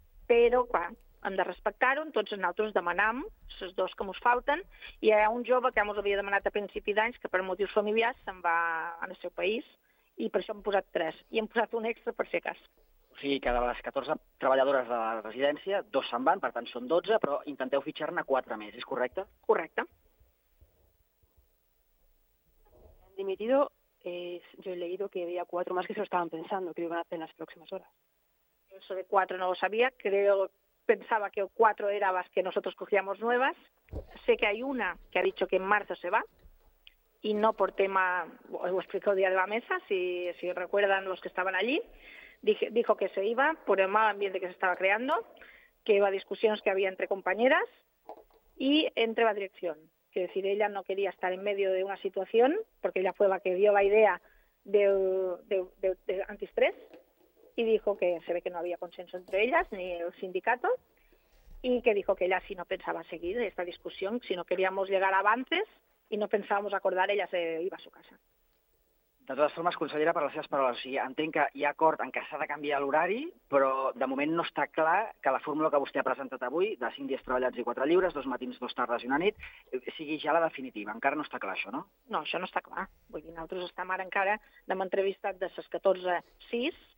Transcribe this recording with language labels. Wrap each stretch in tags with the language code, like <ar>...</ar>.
<ca>Però, clar, hem de respectar-ho, tots nosaltres demanam les 2 que ens falten, i hi ha un jove que ens havia demanat a principi d'anys que per motius familiars se'n va al seu país, i per això hem posat 3, i hem posat un extra per si cas. O sigui que de les 14 treballadores de la residència, 2 se'n van, per tant són 12, però intenteu fitxar-ne 4 més, és correcte? Correcte.</ca> <es>Han dimitido... yo he leído que había 4 más que se lo estaban pensando, que lo iban a hacer en las próximas horas. Eso de 4 no lo sabía, creo, pensaba que 4 era las que nosotros cogíamos nuevas. Sé que hay una que ha dicho que en marzo se va, y no por tema, lo explico el día de la mesa, si recuerdan los que estaban allí, dijo que se iba por el mal ambiente que se estaba creando, que iba a discusiones que había entre compañeras y entre la dirección. Quiero decir, ella no quería estar en medio de una situación, porque ella fue la que dio la idea de antiestrés y dijo que se ve que no había consenso entre ellas ni el sindicato y que dijo que ella sí no pensaba seguir esta discusión, sino queríamos llegar a avances y no pensábamos acordar, ella se iba a su casa.</es> <ca>De totes formes, consellera, per les seves paraules, o sigui, entenc que hi ha acord en què s'ha de canviar l'horari, però de moment no està clar que la fórmula que vostè ha presentat avui, de 5 dies treballats i 4 lliures, 2 matins, 2 tardes i una nit, sigui ja la definitiva. Encara no està clar això, no? No, això no està clar. Vull dir, nosaltres estem ara encara, n'hem entrevistat de les 14, 6.</ca>